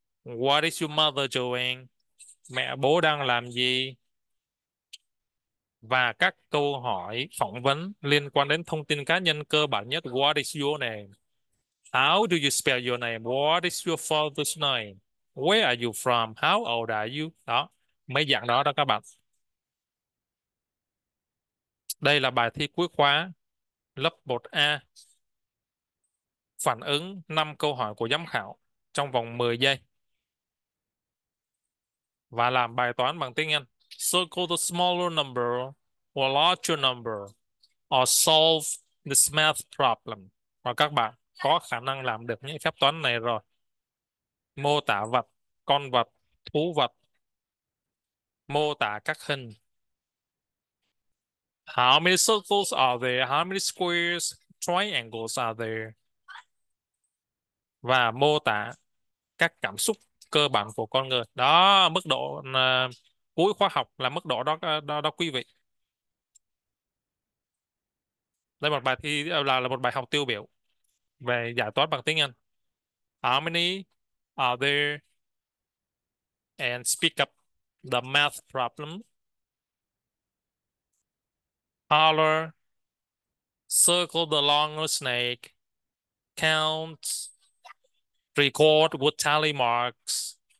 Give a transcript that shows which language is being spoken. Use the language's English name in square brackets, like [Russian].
[English] What is your mother doing? [Vietnamese] Mẹ bố đang làm gì? Và các câu hỏi phỏng vấn liên quan đến thông tin cá nhân cơ bản nhất. [English] What is your name? How do you spell your name? What is your father's name? Where are you from? How old are you? [Vietnamese] Đó, mấy dạng đó đó các bạn. Đây là bài thi cuối khóa lớp 1A. Phản ứng 5 câu hỏi của giám khảo trong vòng 10 giây. Và làm bài toán bằng tiếng Anh. [English] Circle the smaller number or larger number or solve this math problem. [Vietnamese] Và các bạn có khả năng làm được những phép toán này rồi. Mô tả vật, con vật, thú vật, Mô tả các hình. [English] How many circles are there? How many squares, triangles are there? [Vietnamese] Và mô tả các cảm xúc cơ bản của con người. Đó, mức độ cuối khóa học là mức độ đó đó, đó quý vị. Đây một bài thi là một bài học tiêu biểu về giải toán bằng tiếng Anh. [English] How many are there? And speak up the math problem. Color. Circle the long snake. Count. Record with tally marks.